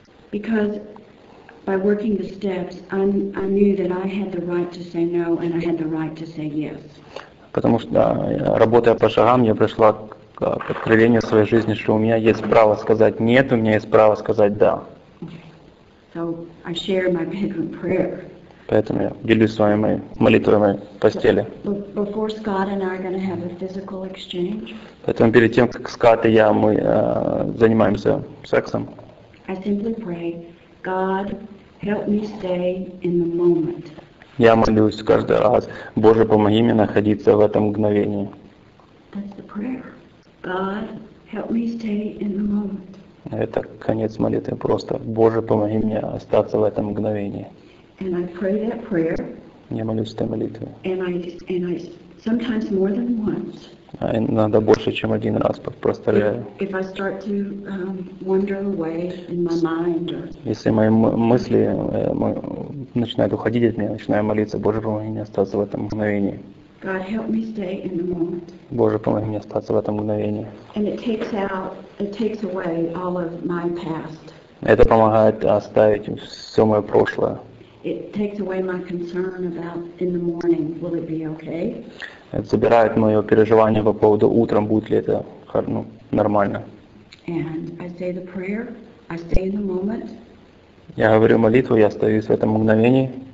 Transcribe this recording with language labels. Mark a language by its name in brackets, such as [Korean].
[English] Because by working the steps, I knew that I had the right to say no and I had the right to say yes. [Russian] Потому что, работая по шагам, я пришла к откровению своей жизни, что у меня есть право сказать «нет», у меня есть право сказать «да». [English] So I share my bedroom prayer. [Russian] Поэтому я делюсь с вами молитвой моей постели. [English] Before Scott and I are going to have a physical exchange. [Russian] Поэтому перед тем, как Скотт и я, мы занимаемся сексом, [English] I simply pray, God, help me stay in the moment. [Russian] Я молюсь каждый раз, Боже, помоги мне находиться в этом мгновении. [English] That's the prayer. God, help me stay in the moment. [Russian] Это конец молитвы, просто Боже, помоги мне остаться в этом мгновении. [English] And I pray that prayer. [Russian] Я молюсь этой молитвой. [English] And I sometimes more than once. [Russian] Иногда больше, чем один раз, повторяю. [English] If I start to wander away in my mind, or... [Russian] Если мои мысли начинают уходить от меня, начинаю молиться, Боже, помоги мне остаться в этом мгновении. [English] God, help me stay in the moment. [Russian] Боже, помоги мне остаться в этом мгновении. [English] And it takes away all of my past. [Russian] Это помогает оставить все мое прошлое. [English] It takes away my concern about in the morning, will it be okay? [Russian] Это забирает мое переживание по поводу утром, будет ли это нормально. [English] And I say the prayer, I stay in the moment. [Russian] Я говорю молитву, я остаюсь в этом мгновении.